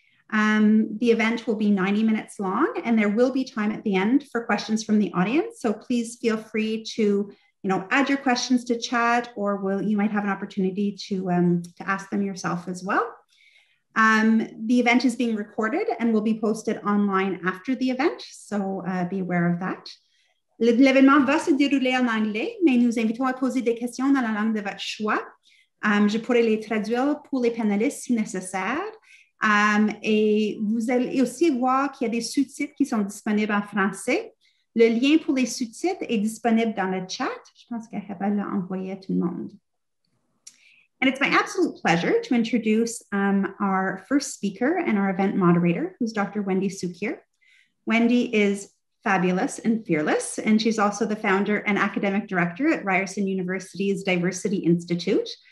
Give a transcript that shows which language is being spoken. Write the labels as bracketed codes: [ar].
[en] The event will be 90 minutes long, and there will be time at the end for questions from the audience. So please feel free to, you know, add your questions to chat, or you might have an opportunity to ask them yourself as well. The event is being recorded and will be posted online after the event, so be aware of that. [fr] L'événement va se dérouler en anglais, mais nous invitons à poser des questions dans la langue de votre choix. Je pourrai les traduire pour les panélistes si nécessaire. Et vous allez aussi voir qu'il y a des sous-titres qui sont disponibles en français. Le lien pour les sous-titres est disponible dans le chat. Je pense que Heba l'a envoyé à tout le monde. [en] And it's my absolute pleasure to introduce our first speaker and our event moderator, who's Dr. Wendy Cukier. Wendy is fabulous and fearless, and she's also the founder and academic director at Ryerson University's Diversity Institute.